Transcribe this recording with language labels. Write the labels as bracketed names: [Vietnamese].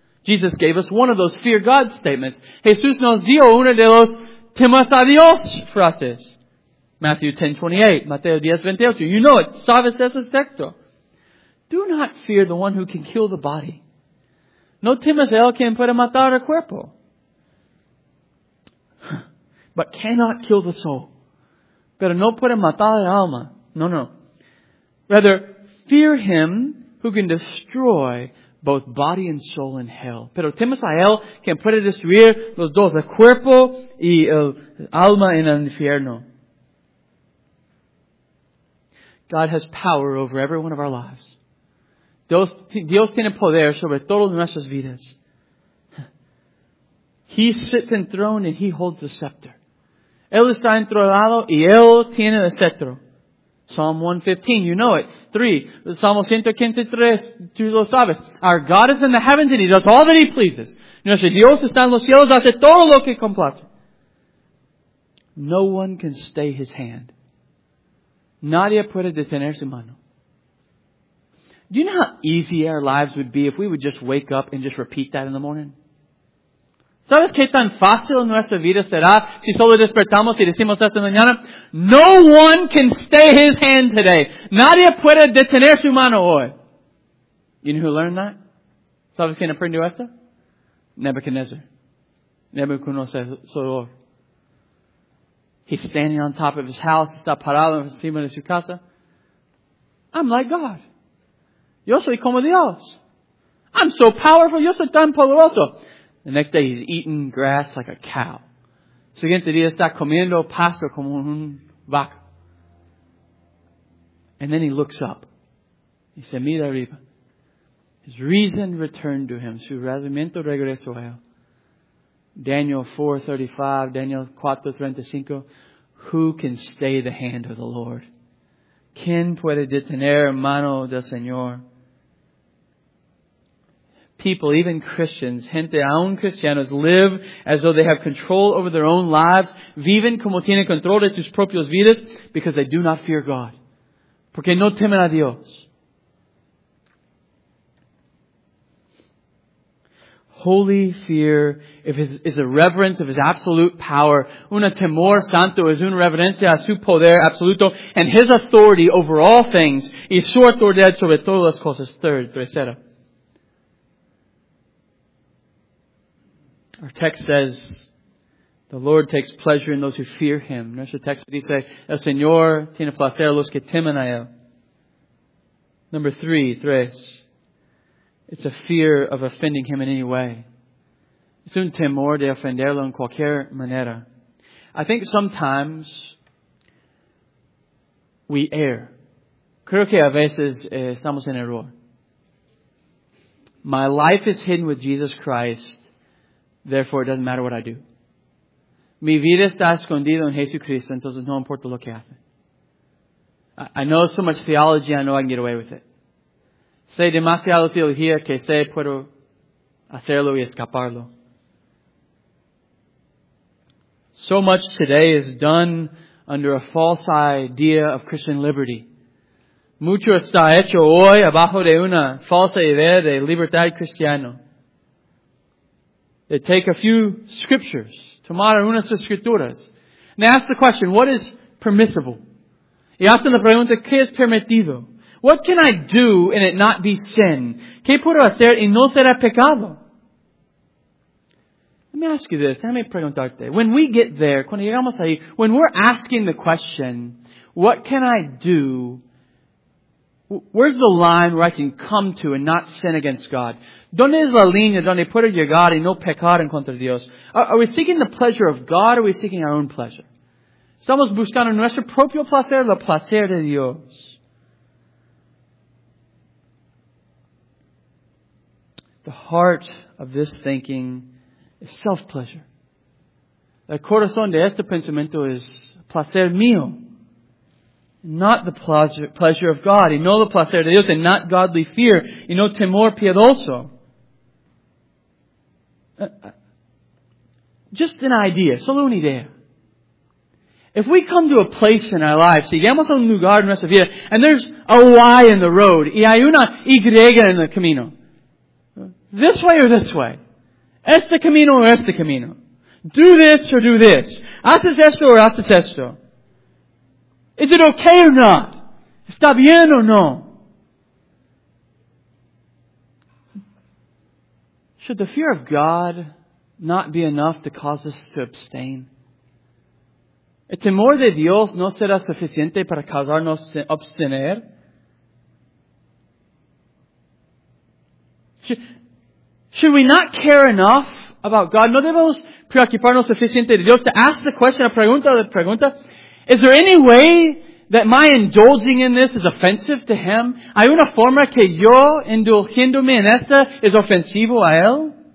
[English] Jesus gave us one of those fear God statements. [Spanish] Jesús nos dio una de los temas a Dios frases. [English] Matthew 10:28, Mateo 10:28. You know it. [Spanish] Sabes ese texto. [English] Do not fear the one who can kill the body. [Spanish] No temas a él quien puede matar el cuerpo. [English] But cannot kill the soul. [Spanish] Pero no puede matar el alma. No, no. [English] Rather, fear him who can destroy both body and soul in hell. [Spanish] Pero temes a él quien puede destruir los dos, el cuerpo y el alma en el infierno. [English] God has power over every one of our lives. [Spanish] Dios tiene poder sobre todas nuestras vidas. [English] He sits enthroned and He holds the scepter. [Spanish] Él está entronado y Él tiene el cetro. [English] Psalm 115, you know it. 3, Salmo 115:3, [Spanish] tú lo sabes. [English] Our God is in the heavens and He does all that He pleases. [Spanish] Nuestro Dios está en los cielos, hace todo lo que complace. [English] No one can stay His hand. [Spanish] Nadie puede detener su mano. [English] Do you know how easy our lives would be if we would just wake up and just repeat that in the morning? [Spanish] ¿Sabes qué tan fácil nuestra vida será si solo despertamos y decimos esta mañana? [English] No one can stay His hand today. [Spanish] Nadie puede detener su mano hoy. [English] You know who learned that? [Spanish] ¿Sabes quién aprendió esto? [English] Nebuchadnezzar. Nebuchadnezzar. He's standing on top of his house. [Spanish] Está parado encima de su casa. [English] I'm like God. [Spanish] Yo soy como Dios. [English] I'm so powerful. [Spanish] Yo soy tan poderoso. [English] The next day, he's eating grass like a cow. [Spanish] Siguiente día, está comiendo pasto como un vaca. [English] And then he looks up. He said, [Spanish] mira arriba. [English] His reason returned to him. [Spanish] Su razonamiento regresó a él. [English] Daniel 4:35, Daniel 4:35. Who can stay the hand of the Lord? [Spanish] ¿Quién puede detener mano del Señor? [English] People, even Christians, [Spanish] gente aun cristianos, [English] live as though they have control over their own lives, [Spanish] viven como tienen control de sus propias vidas, [English] because they do not fear God. [Spanish] Porque no temen a Dios. [English] Holy fear is a reverence of His absolute power. [Spanish] Una temor santo es una reverencia a su poder absoluto [English] and His authority over all things [Spanish] y su autoridad sobre todas las cosas. [English] Third, [Spanish] tercera. [English] Our text says, the Lord takes pleasure in those who fear Him. [Spanish] Nuestro texto dice, el Señor tiene placer los que temen a Él. [English] Number 3. It's a fear of offending Him in any way. [Spanish] Es un temor de ofenderlo en cualquier manera. [English] I think sometimes we err. [Spanish] Creo que a veces estamos en error. [English] My life is hidden with Jesus Christ, therefore it doesn't matter what I do. [Spanish] Mi vida está escondida en Jesucristo, entonces no importa lo que hace. [English] I know so much theology, I know I can get away with it. [Spanish] Sé demasiado teología que sé puedo hacerlo y escaparlo. [English] So much today is done under a false idea of Christian liberty. [Spanish] Mucho está hecho hoy abajo de una falsa idea de libertad cristiana. [English] They take a few scriptures, [Spanish] tomar unas escrituras, [English] and they ask the question, what is permissible? [Spanish] Y hacen la pregunta, ¿qué es permitido? [English] What can I do and it not be sin? [Spanish] ¿Qué puedo hacer y no será pecado? [English] Let me ask you this. Let me [Spanish] preguntarte. [English] When we get there, [Spanish] cuando llegamos ahí, [English] when we're asking the question, what can I do Where's the line where I can come to and not sin against God? [Spanish] ¿Dónde es la línea donde puedo llegar y no pecar en contra de Dios? [English] Are we seeking the pleasure of God or are we seeking our own pleasure? [Spanish] ¿Estamos buscando nuestro propio placer o el placer de Dios? [English] The heart of this thinking is self-pleasure. [Spanish] El corazón de este pensamiento es placer mío. [English] Not the pleasure of God, [Spanish] y no el placer de Dios, [English] and not godly fear, [Spanish] y no temor piadoso. [English] Just an idea, [Spanish] solo una idea. [English] If we come to a place in our lives, [Spanish] si llegamos a un lugar en nuestra vida, [English] and there's a Y in the road, [Spanish] y hay una Y en el camino, [English] this way or this way, [Spanish] este camino [English] or este camino, do this or do this, [Spanish] haces esto [English] or haces esto, is it okay or not? [Spanish] ¿Está bien o no? [English] Should the fear of God not be enough to cause us to abstain? [Spanish] ¿El temor de Dios no será suficiente para causarnos abstener? [English] Should we not care enough about God? [Spanish] ¿No debemos preocuparnos suficiente de Dios [English] to ask the question, [Spanish] la pregunta? [English] Is there any way that my indulging in this is offensive to Him? [Spanish] ¿Hay una forma que yo indulgiéndome en esta es ofensivo a Él?